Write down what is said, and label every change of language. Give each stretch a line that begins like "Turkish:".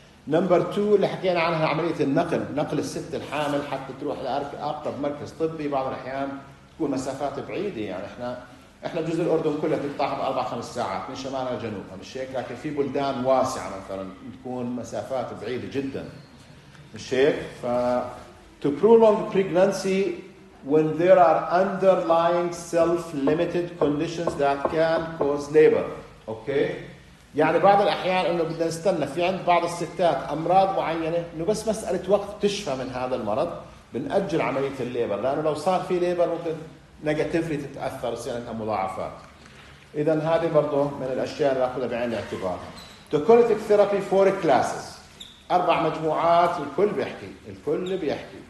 Arabic: نمبر 2 اللي حكينا عنها عملية النقل. نقل الست الحامل حتى تروح لأقرب مركز طبي. بعض الأحيان تكون مسافات بعيدة، يعني احنا جزء الأردن كلها تقطعها بـ 4-5 ساعات من شمالها لجنوبها مش هيك، لكن في بلدان واسعة مثلا تكون مسافات بعيدة جدا مش هيك.
English: ف to prolong pregnancy when there are underlying self-limited conditions that can cause labor.
Arabic: اوكي يعني بعض الأحيان انه بدنا نستنى في عند بعض الستات أمراض معينة انه بس مسألة وقت تشفى من هذا المرض بنأجل عملية الليبر، لأنه لو صار في ليبر ممكن نيجاتيفلي تتأثر يصير عندها مضاعفات. إذا هذه برضو من الأشياء اللي أخذها بعين الاعتبار. توكوليتك ثيرابي فور كلاسز، 4 مجموعات الكل بيحكي، الكل بيحكي.